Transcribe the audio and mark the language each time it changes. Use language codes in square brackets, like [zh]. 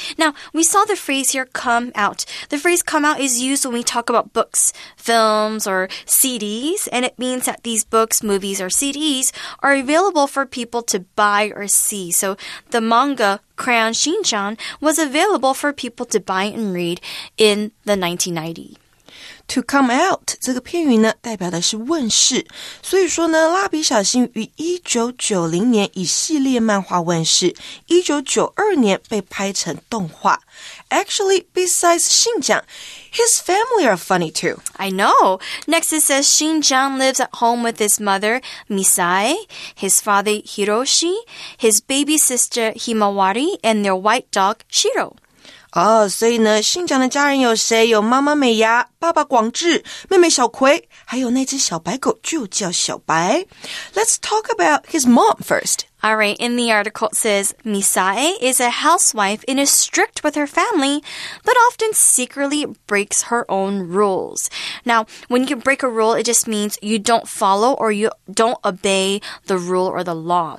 [en] Now, we saw the phrase here, come out. The phrase come out is used when we talk about books, films, or CDs, and it means that these books, movies, or CDs are available for people to buy or see. So the manga, Crayon Shinchan, was available for people to buy and read in the 1990s. To come out, [zh] 这个片语呢代表的是问世。所以说呢蜡笔小新于1990年以系列漫画问世 ,1992 年被拍成动画。 [en] Actually, besides Shinchan, his family are funny too. I know. Next it says Shinchan lives at home with his mother, Misai, his father, Hiroshi, his baby sister, Himawari, and their white dog, Shiro. [zh] 哦、oh, ，所以呢，新疆的家人有谁？有妈妈美牙、爸爸广志、妹妹小葵，还有那只小白狗，就叫小白。 [en] Let's talk about his mom first. All right, in the article it says, Misae is a housewife and is strict with her family, but often secretly breaks her own rules. Now, when you break a rule, it just means you don't follow or you don't obey the rule or the law.